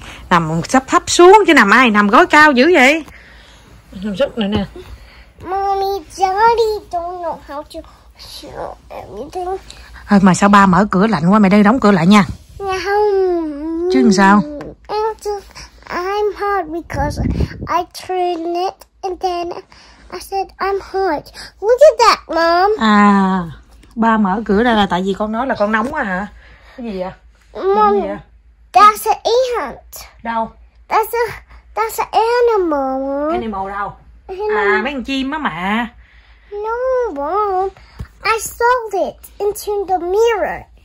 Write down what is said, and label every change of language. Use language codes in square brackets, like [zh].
[vi] Nằm sắp thấp xuống chứ nằm ai, nằm gói cao dữ vậy. Nằm sấp nữa nè. [en] Mommy, daddy don't know how to show everything. [vi] Thôi mà sao ba mở cửa lạnh quá, mày đây đóng cửa lại nha. Dạ không. Chứ làm sao? [en] I'm hot because I turn it and then I said I'm hot. Look at that, mom. [vi] À, ba mở cửa ra là tại vì con nói là con nóng quá hả? Cái gì vậy? [en] Mom, [vi] gì vậy? [en] That's an ant. [vi] Đâu? [en] That's an animal, mom. [vi] Animal đâu? À, mấy con chim á mà. [en] No, mom. I saw it into the mirror.